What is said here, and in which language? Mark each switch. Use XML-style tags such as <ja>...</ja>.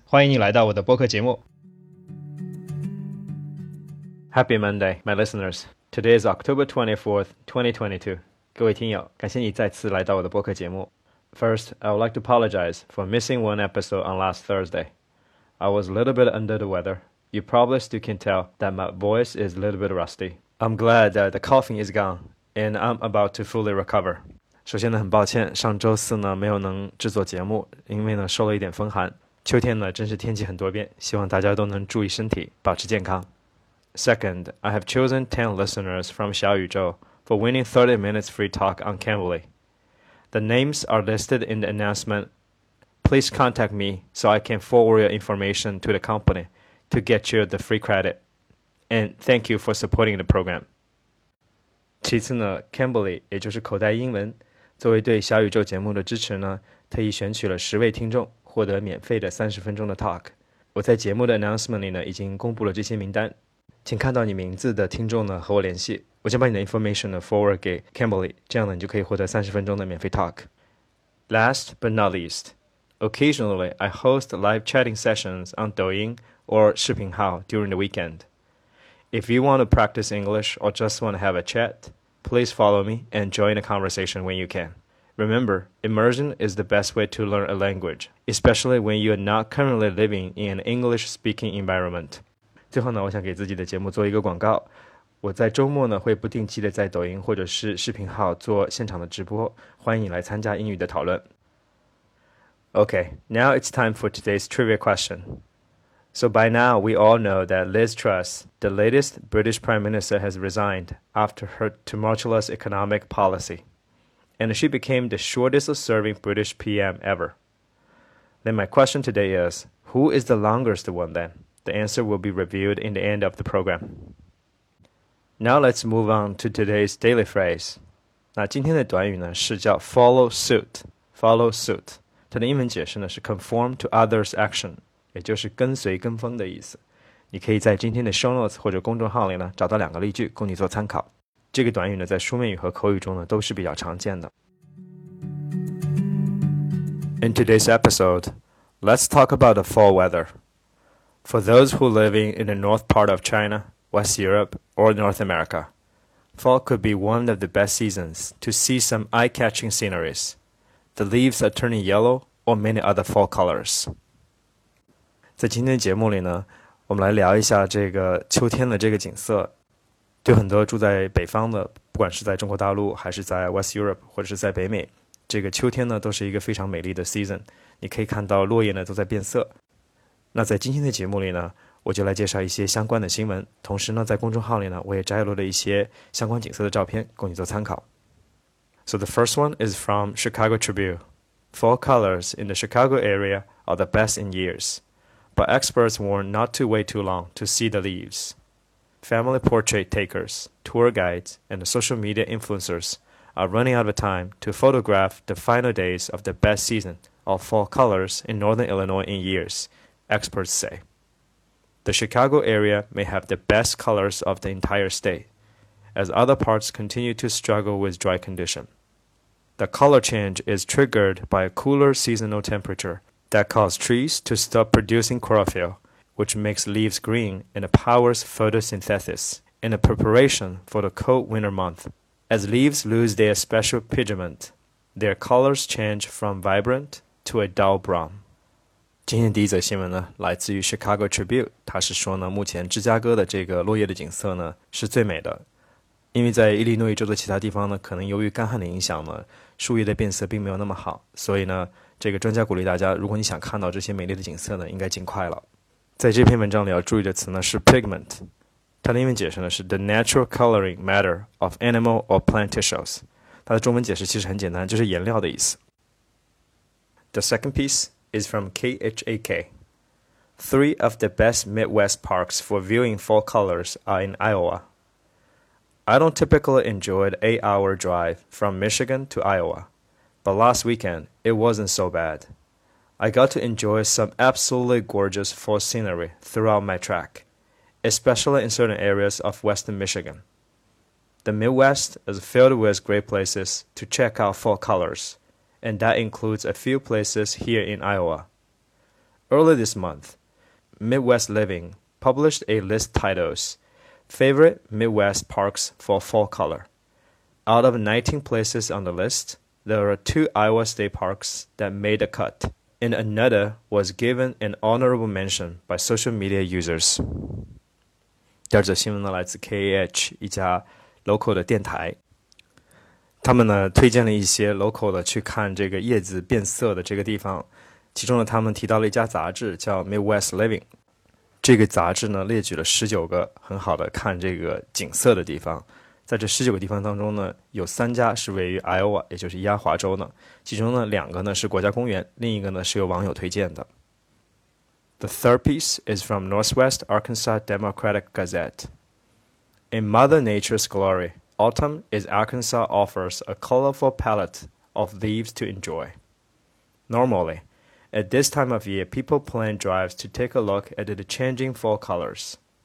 <zh>欢迎你来到我的播客节目。</zh> <en>Happy Monday, my listeners. Today is October 24th, 2022.</en> <zh>各位听友，感谢你再次来到我的播客节目。</zh> <en>First, I would like to apologize for missing one episode on last Thursday. I was a little bit under the weather. You probably still can tell that my voice is a little bit rusty. I'm glad that the coughing is gone, and I'm about to fully recover.</en> <zh>首先呢，很抱歉，上周四呢没有能制作节目，因为呢受了一点风寒。秋天呢真是天气很多变，希望大家都能注意身体，保持健康。</zh> <en>Second, I have chosen 10 listeners from 小宇宙 for winning 30 minutes free talk on Cambly. The names are listed in the announcement. Please contact me so I can forward your information to the company to get you the free credit. And thank you for supporting the program.</en> <zh>其次呢 Cambly 也就是口袋英文，作为对小宇宙节目的支持呢，特意选取了10位听众获得免费的30分钟的 talk。我在节目的 announcement 里呢已经公布了这些名单，请看到你名字的听众呢和我联系，我将把你的 information 呢 forward 给 Cambly， 这样呢你就可以获得30分钟的免费 talk。</zh> <en>Last but not least, occasionally I host live chatting sessions on Douyin or 视频号 during the weekend. If you want to practice English or just want to have a chat, please follow me and join a conversation when you can. Remember, immersion is the best way to learn a language, especially when you are not currently living in an English-speaking environment.</en> <zh>最后呢，我想给自己的节目做一个广告。我在周末呢，会不定期的在抖音或者是视频号做现场的直播，欢迎你来参加英语的讨论。</zh> <en>Okay, now it's time for today's trivia question. So by now, we all know that Liz Truss, the latest British Prime Minister, has resigned after her tumultuous economic policy. And she became the shortest-serving British PM ever. Then my question today is, who is the longest one then? The answer will be revealed in the end of the program. Now let's move on to today's daily phrase.</en> <zh>那今天的短语呢是叫 follow suit.</zh> <en>Follow suit.</en> <zh>它的英文解释呢是</zh> <en>conform to others' action.</en> <zh>也就是跟随跟风的意思，你可以在今天的 show notes 或者公众号里呢找到两个例句供你做参考。这个短语呢在书面语和口语中呢都是比较常见的。</zh> <en>In today's episode, let's talk about the fall weather. For those who live in the north part of China, West Europe, or North America, fall could be one of the best seasons to see some eye-catching sceneries. The leaves are turning yellow or many other fall colors.</en> <zh>在今天的节目里呢，我们来聊一下这个秋天的这个景色。对很多住在北方的，不管是在中国大陆，还是在 West Europe， 或者是在北美，这个秋天呢，都是一个非常美丽的 season。你可以看到落叶呢都在变色。那在今天的节目里呢，我就来介绍一些相关的新闻，同时呢，在公众号里呢，我也摘录了一些相关景色的照片，供你做参考。</zh> <en>So the first one is from Chicago Tribune. Fall colors in the Chicago area are the best in years. But experts warn not to wait too long to see the leaves. Family portrait takers, tour guides, and social media influencers are running out of time to photograph the final days of the best season of fall colors in northern Illinois in years, experts say. The Chicago area may have the best colors of the entire state, as other parts continue to struggle with dry condition. The color change is triggered by a cooler seasonal temperature,that causes trees to stop producing chlorophyll, which makes leaves green and powers photosynthesis in a preparation for the cold winter month. As leaves lose their special pigment, their colors change from vibrant to a dull brown.</en> <zh>今天第一则新闻呢来自于 Chicago Tribune, 它是说呢目前芝加哥的这个落叶的景色呢是最美的。因为在伊利诺伊州的其他地方呢可能由于干旱的影响呢树叶的变色并没有那么好，所以呢这个专家鼓励大家，如果你想看到这些美丽的景色呢，应该尽快了。在这篇文章里要注意的词呢是 pigment， 它的英文解释呢是</zh> <en>the natural coloring matter of animal or plant tissues，</en> <zh>它的中文解释其实很简单，就是颜料的意思。</zh> <en>The second piece is from KHAK. Three of the best Midwest parks for viewing fall colors are in Iowa. I don't typically enjoy an 8-hour drive from Michigan to Iowa. But last weekend, it wasn't so bad. I got to enjoy some absolutely gorgeous fall scenery throughout my track, especially in certain areas of western Michigan. The Midwest is filled with great places to check out fall colors, and that includes a few places here in Iowa. Earlier this month, Midwest Living published a list titled Favorite Midwest Parks for Fall Color. Out of 19 places on the list, there are two Iowa State Parks that made a cut, and another was given an honorable mention by social media users.</en> <zh>第二则新闻呢，来自 KAH 一家 local 的电台，他们呢推荐了一些 local 的去看这个叶子变色的这个地方，其中呢他们提到了一家杂志叫 Midwest Living， 这个杂志呢列举了19个很好的看这个景色的地方，在这19个地方当中呢，有三家是位于 Iowa， 也就是伊阿华州呢，其中呢两个呢是国家公园，另一个呢是由网友推荐的。</zh> <en>The third piece is from Northwest Arkansas Democratic Gazette. In Mother Nature's glory, autumn is Arkansas offers a colorful palette of leaves to enjoy. Normally, at this time of year, people plan drives to take a look at the changing fall colors.</en>